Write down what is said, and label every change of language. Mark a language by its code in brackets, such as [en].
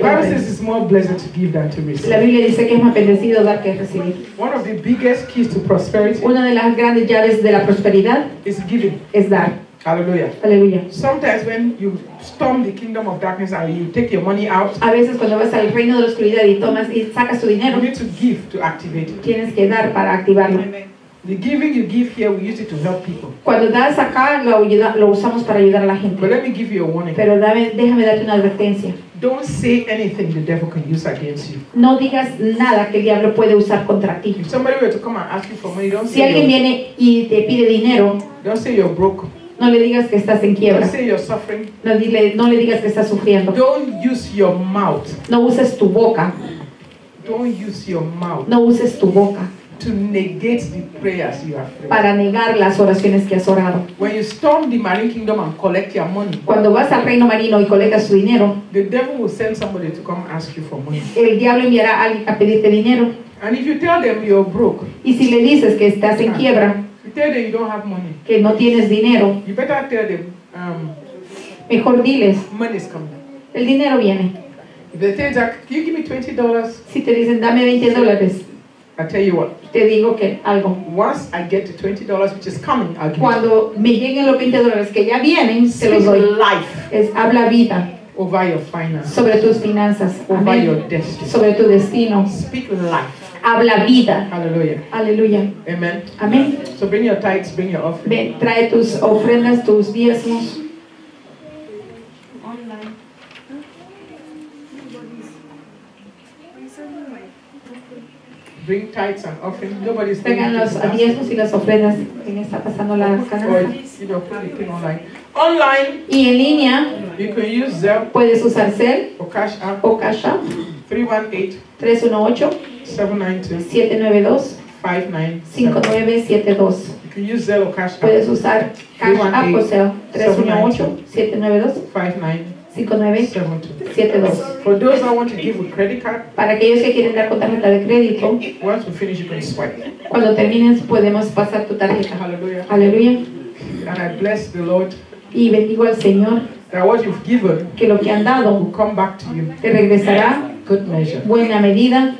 [en] The Bible says it's more blessed to give than to receive. [es] La Biblia dice que es más bendecido dar que recibir. [en] One of the biggest keys to prosperity. [es] Una de las grandes llaves de la prosperidad [en] is giving. [es] Es dar. [en] Hallelujah. Hallelujah. Sometimes when you storm the kingdom of darkness and you take your money out. [es] A veces cuando vas al reino de la oscuridad y tomas y sacas tu dinero. [en] You need to give to activate it. [es] Tienes que dar para activarlo. Amen. [en] The giving you give here, we use it to help people. [es] Cuando das acá, lo usamos para ayudar a la gente. [en] But let me give you a warning. [es] Pero déjame darte una advertencia. [en] Don't say anything the devil can use against you. [es] No digas nada que el diablo puede usar contra ti. [en] If somebody were to come and ask you for money, don't [es] si say alguien viene y te pide dinero, [en] don't say you're broke. [es] No le digas que estás en quiebra. [en] Don't say you're suffering. [es] No le digas que estás sufriendo. [en] Don't use your mouth. [es] No uses tu boca. [en] Don't use your mouth. [es] No uses tu boca. [en] To negate the prayers you have prayed. [es] Para negar las oraciones que has orado. [en] When you storm the marine kingdom and collect your money. [es] Cuando vas al reino marino y colectas tu dinero. [en] The devil will send somebody to come ask you for money. [es] El diablo enviará a alguien a pedirte dinero. [en] And if you tell them you're broke. [es] Y si le dices que estás en quiebra. [en] You tell them you don't have money. [es] Que no tienes dinero. [en] You better tell them. [es] Mejor diles. [en] Money is coming. [es] El dinero viene. [en] If they tell Jack, can you give me $20? [es] Si te dicen dame $20. [en] I tell you what. [es] Te digo que algo. [en] Once I get the $20, which is coming, I'll give you. [es] Cuando me lleguen los $20 que ya vienen, se los doy. [en] Life. [es] Es habla vida. [en] Over your finances. [es] Sobre tus finanzas. [en] Over your destiny. [es] Sobre tu destino. [en] Speak life. [es] Habla vida. [en] Hallelujah. Hallelujah. Amen. Amen. So bring your tithes, bring your offerings. [es] Ven, trae tus ofrendas, tus diezmos. [en] Bring tithes and offerings. Nobody's taking [es] los diezmos y las ofrendas. ¿Quién está pasando la canasta? [en] Or, you know, put it in online. Online. [es] Y en línea. [en] You can use Zelle. [es] Puedes usar Zelle. O Cash App. O Cash App. 318. 792-792-5972. [en] You can use Zelle or Cash App. [es] Puedes usar Cash App o Zelle. 318-792-5972. [en] For those that want to give a credit card, [es] para aquellos que quieren dar con tarjeta de crédito, [en] once we finish, you can swipe. [es] Cuando termines, podemos pasar tu tarjeta. [en] Hallelujah. Hallelujah. And I bless the Lord. [es] Y bendigo al Señor. [en] That what you've given, [es] que lo que han dado, [en] will come back to you. [es] Te regresará. [en] Good measure. [es] Buena medida.